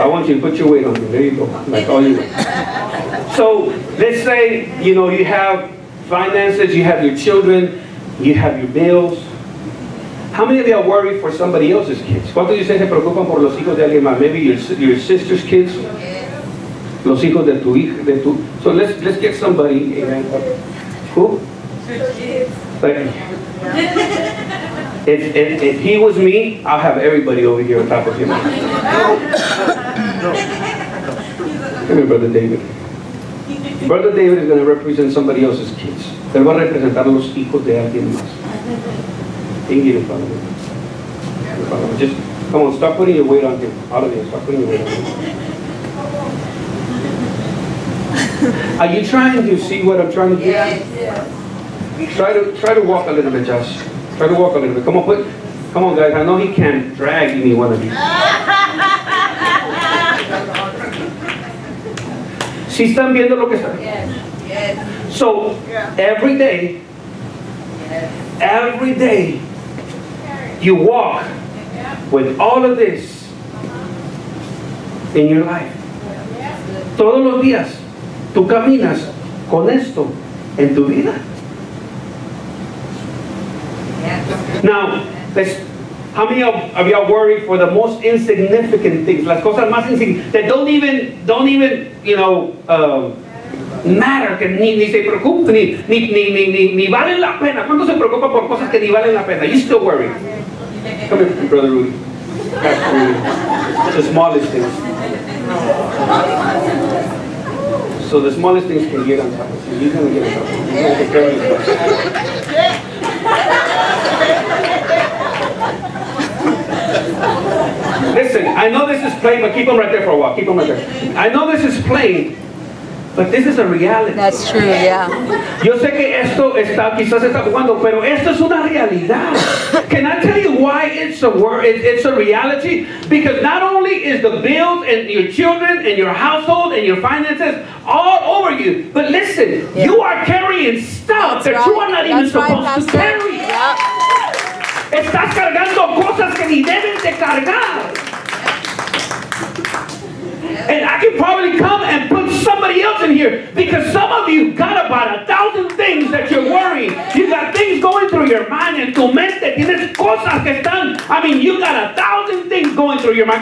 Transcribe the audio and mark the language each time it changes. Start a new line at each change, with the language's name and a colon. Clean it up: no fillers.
English: I want you to put your weight on him. There you go. Like all you. So let's say, you know, you have finances, you have your children, you have your bills. How many of you are worried for somebody else's kids?
Spanish: ¿Cuántos de ustedes se preocupan por los hijos de alguien más?
English: Maybe your sister's kids?
Spanish: Los hijos de tu hija, de tu.
English: So let's get somebody. Who?
Spanish: Sus kids.
English: Thank you. If he was me, I'll have everybody over here on top of him. Come here, Brother David. Brother David is going to represent somebody else's kids.
Spanish: Él va a representar a los hijos de alguien más.
English: Thank you, Father. Just come on, stop putting your weight on him. All of you, stop putting your weight on him. Are you trying to see what I'm trying to do? Yeah. Try to walk a little bit, Josh. Try to walk a little bit. Come on, put. Come on, guys. I know he can't drag me one of these.
Spanish: ¿Sí están viendo lo que está?
English: Yes. So, yeah. every day, you walk with all of this in your life.
Spanish: Todos los días, tú caminas con esto en tu vida.
English: Now, how many of y'all worry for the most insignificant things?
Spanish: Las cosas más insignificantes
English: that don't even, you know, matter.
Spanish: Que ni se preocupen, ni valen la pena. ¿Cuánto se preocupa por cosas que ni valen la pena?
English: You still worry. Come here, Brother Rudy. Pastor Rudy. The smallest things. So the smallest things can get on top of you. You can get on top of you. Listen, I know this is plain, but keep them right there for a while. Keep them right there. I know this is plain, but this is a reality. That's true, yeah.
Spanish: Yo sé que esto está, quizás está jugando, pero esto es una realidad.
English: Can I tell you why it's a reality? Because not only is the bills and your children and your household and your finances all over you, but listen, yeah. You are carrying stuff that you are not That's even right, supposed Pastor. To carry. Yep.
Spanish: Estás cargando cosas que ni deben de cargar.
English: And I can probably come and put somebody else in here because some of you got about 1,000 things that you're worrying. You got things going through your mind and
Spanish: tu mente. Tienes cosas que están.
English: I mean, you got 1,000 things going through your mind.